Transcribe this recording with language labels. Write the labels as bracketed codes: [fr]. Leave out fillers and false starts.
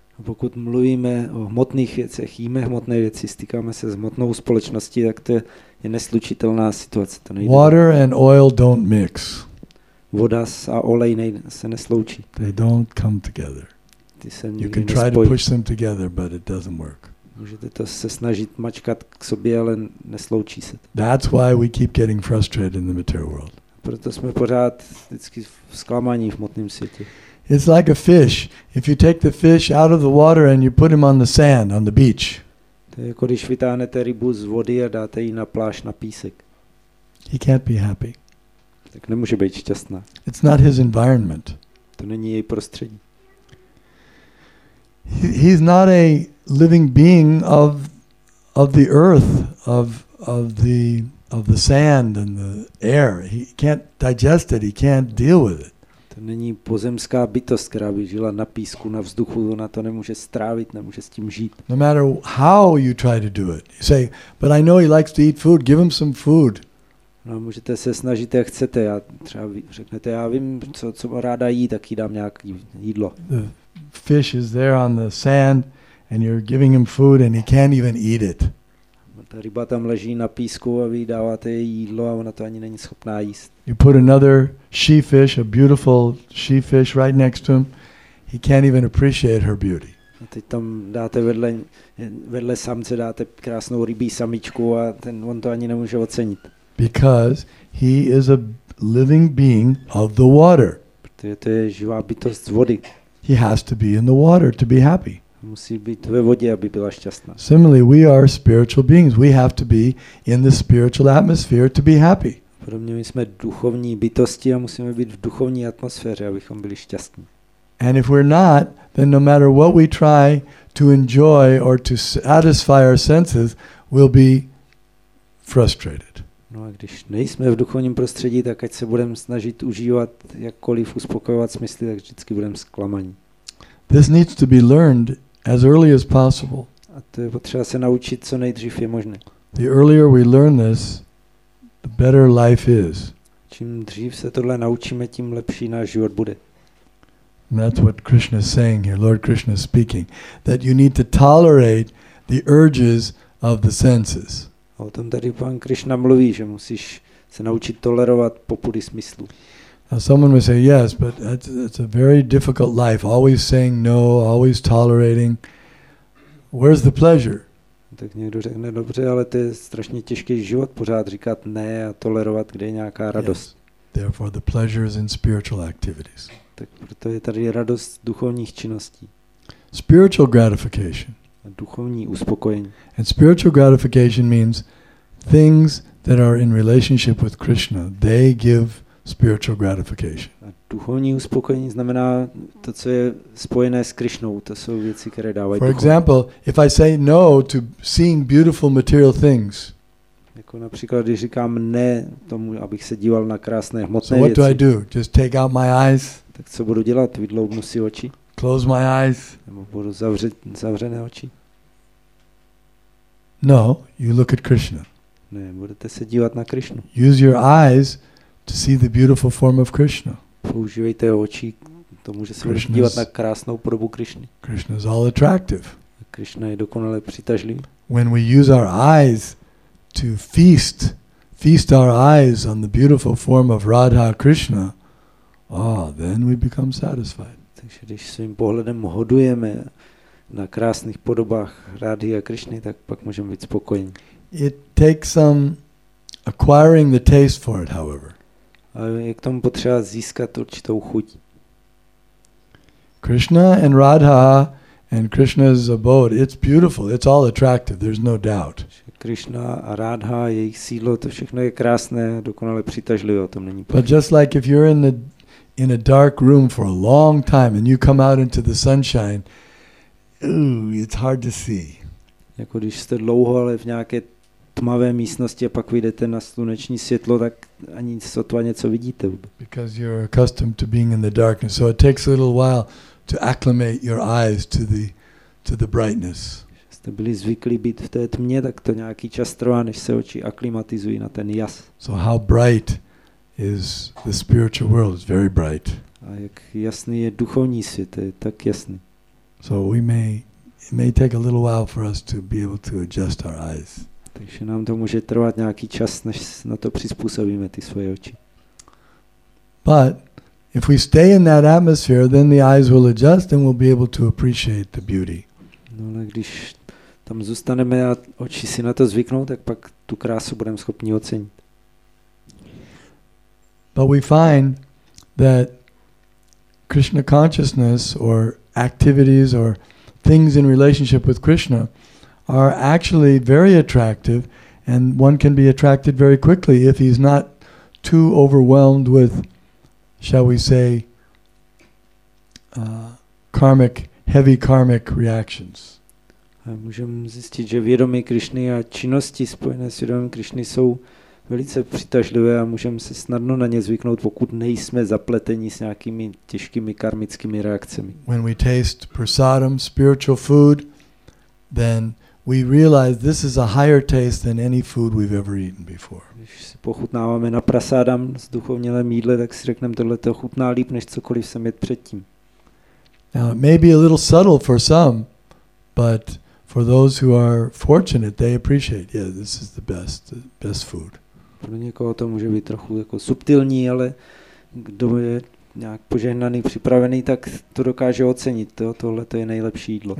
[cs] Pokud mluvíme o hmotných věcech, jíme hmotné věci, stýkáme se s hmotnou společností, tak to je neslučitelná situace. To nejde. [en] Water and oil don't mix. [cs] Voda a olej se nesloučí. [en] They don't come together. [cs] Ty se nikdy [en] you can try [cs] nespojí. [en] To push them together, but it doesn't work. [cs] Můžete to se snažit mačkat k sobě, ale nesloučí se to. [en] That's why we keep getting frustrated in the material world. [cs] Proto jsme pořád vždycky zklamaní v hmotném světě. [en] It's like a fish. If you take the fish out of the water and you put him on the sand on the beach. [cs] To je jako když vytáhnete rybu z vody a dáte ji na pláž na písek. [en] He can't be happy. [cs] Tak nemůže být šťastná. [en] It's not his environment. [cs] To není její prostředí. [en] He's not a living being of the earth, of the sand and the air. He can't digest it. He can't deal with it. [cs] To není pozemská bytost, která by žila na písku, na vzduchu, ona to nemůže strávit, nemůže s tím žít. [en] No matter how you try to do it. You say, but I know he likes to eat food. Give him some food. [cs] No, můžete se snažit, jak chcete. Já třeba řeknete, já vím, co ráda jí, tak jí dám nějaký jídlo. [en] The fish is there on the sand and you're giving him food and he can't even eat it. [cs] Ta ryba tam leží na písku a vy dáváte jí jídlo a ona to ani není schopná jíst. [en] You put another she-fish, a beautiful she-fish right next to him. He can't even appreciate her beauty. [cs] A teď tam dáte vedle samce dáte krásnou rybí samičku a ten on to ani nemůže ocenit. [en] Because he is a living being of the water. [cs] Protože to je živá bytost z vody. [en] He has to be in the water to be happy. [cs] Musí být ve vodě, aby byla šťastná. [en] Similarly, we are spiritual beings. We have to be in the spiritual atmosphere to be happy. [cs] Podobně my jsme duchovní bytosti a musíme být v duchovní atmosféře, abychom byli šťastní. [en] And if we're not, then no matter what we try to enjoy or to satisfy our senses, we'll be frustrated. [cs] No a když nejsme v duchovním prostředí, tak ať se budeme snažit užívat jakkoliv uspokojovat smysly, tak vždycky budeme zklamaní. [en] This needs to be learned as early as possible. [cs] A to je potřeba se naučit co nejdřív je možné. [en] The earlier we learn this, the better life is. [cs] Čím dřív se tohle naučíme, tím lepší náš život bude. [en] And that's what Krishna is saying here, Lord Krishna is speaking, that you need to tolerate the urges of the senses. [cs] A o tom tady pan Krishna mluví, že musíš se naučit tolerovat popudy smyslu. [en] Now someone may say, yes, but that's a very difficult life, always saying no, always tolerating. Where's the pleasure? [cs] Tak někdo řekne, dobře, ale to je strašně těžký život, pořád říkat ne a tolerovat, kde je nějaká radost. [en] Yes. Therefore the pleasure is in spiritual activities. [cs] Tak proto je tady radost duchovních činností. [en] Spiritual gratification. [cs] A duchovní uspokojení. [en] And spiritual gratification means things that are in relationship with Krishna. They give spiritual gratification. [cs] A duchovní uspokojení znamená to, co je spojené s Krišnou. To jsou věci, které dávají. [en] For example, if I say no to seeing beautiful material things. [cs] Jako například, když říkám ne tomu, abych se díval na krásné hmotné věci. [en] So what do I do? Just take out my eyes. [cs] Tak co budu dělat? Vydloubnu si oči. [en] Close my eyes. [cs] Nebo budu zavřít zavřené oči. [en] No, you look at Krishna. [cs] Ne, budete se dívat na Krišnu. [en] Use your eyes to see the beautiful form of Krishna. [cs] Používejte oči k tomu, že se budete dívat na krásnou podobu Krišny. [en] Krishna is all attractive. [cs] Krishna je dokonale přitažlivý. [en] When we use our eyes to feast our eyes on the beautiful form of Radha Krishna, then we become satisfied. [cs] Takže když svým pohledem hodujeme na krásných podobách Radhy a Krišny, tak pak můžeme být spokojení. [en] It takes some acquiring the taste for it, however. [cs] Je k tomu potřeba získat určitou chuť. [en] Krishna and Radha and Krishna's abode, it's beautiful, it's all attractive, there's no doubt. [cs] Krishna a Radha, jejich sídlo, to všechno je krásné, dokonale přitažlivé, o tom není pochyb. [en] But just like if you're in a dark room for a long time and you come out into the sunshine, it's hard to see. [cs] Jako když jste dlouho, ale v nějaké tmavé místnosti a pak vyjdete na sluneční světlo, tak ani sotva něco vidíte. [en] Because you're accustomed to being in the darkness, so it takes a little while to acclimate your eyes to the brightness. [cs] Jste byli zvyklí být v té tmě, tak to nějaký čas trvá, než se oči aklimatizují na ten jas. [en] So how bright is the spiritual world? It's very bright. [cs] A jak jasný je duchovní svět, je tak jasný. [en] So it may take a little while for us to be able to adjust our eyes. [cs] Takže nám to může trvat nějaký čas, než na to přizpůsobíme ty svoje oči. [en] But if we stay in that atmosphere, then the eyes will adjust and we'll be able to appreciate the beauty. [cs] No, ale když tam zůstaneme a oči si na to zvyknou, tak pak tu krásu budeme schopni ocenit. [en] But we find that Krishna consciousness or activities or things in relationship with Krishna are actually very attractive, and one can be attracted very quickly if he's not too overwhelmed with, shall we say, karmic, heavy karmic reactions. [cs] A můžeme zjistit, že vědomí Krišny a činnosti spojené s vědomím Krišny jsou velice přitažlivé a můžeme se snadno na ně zvyknout, pokud nejsme zapleteni s nějakými těžkými karmickými reakcemi. [en] When we taste prasadam, spiritual food, then we realize this is a higher taste than any food we've ever eaten before. [cs] Když si pochutnáváme na prasadam, z duchovněle mídle, tak si řekneme, tohle to chutná líp než cokoliv jsem jedl předtím. [en] Now it may be a little subtle for some, but for those who are fortunate, they appreciate, yeah, this is the best food. [cs] Pro někoho to může být trochu jako subtilní, ale kdo je nějak požehnaný, připravený, tak to dokáže ocenit. Tohle to je nejlepší jídlo.